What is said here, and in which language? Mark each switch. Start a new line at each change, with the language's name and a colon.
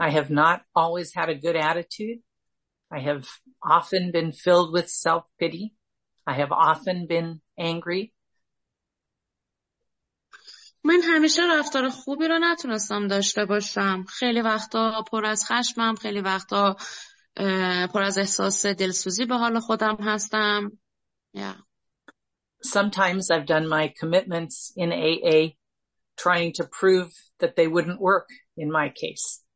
English: I have not always had a good attitude. I have often been filled with self-pity. I have often been angry.
Persian: من همیشه رفتار خوبی رو نتونستم داشته باشم. خیلی وقتا پر از خشمم، خیلی وقتا پر از احساس دلسوزی به حال خودم هستم.
English: Yeah. Sometimes I've done my commitments in AA trying to prove that they wouldn't work in my case.